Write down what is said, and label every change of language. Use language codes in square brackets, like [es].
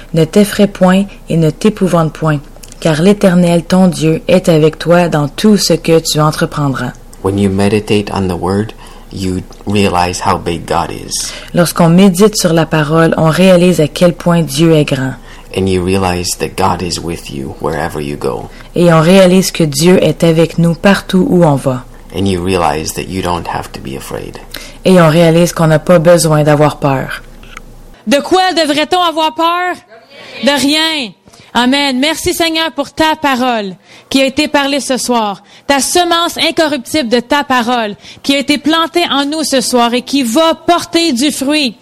[fr] Ne t'effraie point et ne t'épouvante point. Car l'Éternel, ton Dieu, est avec toi dans tout ce que tu entreprendras. [en] When you meditate on the word, you realize how big God is. [fr] Lorsqu'on médite sur la parole, on réalise à quel point Dieu est grand. [en] And you realize that God is with you wherever you go. [fr] Et on réalise que Dieu est avec nous partout où on va. [en] And you realize that you don't have to be afraid. [fr] Et on réalise qu'on n'a pas besoin d'avoir peur. De quoi devrait-on avoir peur? De rien. Amen. Merci Seigneur pour ta parole qui a été parlée ce soir. Ta semence incorruptible de ta parole qui a été plantée en nous ce soir et qui va porter du fruit.